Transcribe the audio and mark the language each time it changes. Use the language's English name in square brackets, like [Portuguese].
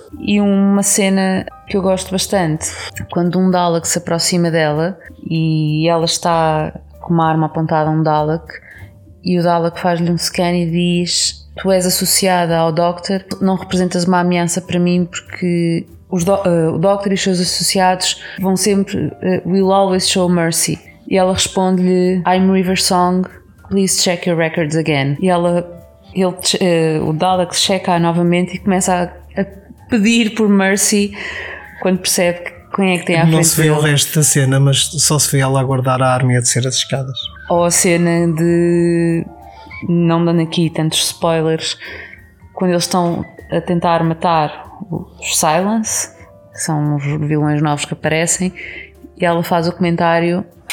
[Portuguese] E uma cena que eu gosto bastante, quando um Dalek se aproxima dela e ela está com uma arma apontada a um Dalek e o Dalek faz-lhe um scan e diz: tu és associada ao Doctor, não representas uma ameaça para mim, porque o Doctor e os seus associados vão sempre, [English] will always show mercy. [Portuguese] E ela responde-lhe: [English] I'm River Song, please check your records again. [Portuguese] E ela, o Dalek checa novamente e começa a pedir por mercy quando percebe que quem é que tem à não frente. Não se vê dele o resto da cena, mas só se vê ela a guardar a arma e a descer as escadas. Ou a cena de, não dando aqui tantos spoilers, quando eles estão a tentar matar os Silence, que são os vilões novos que aparecem, e ela faz o comentário: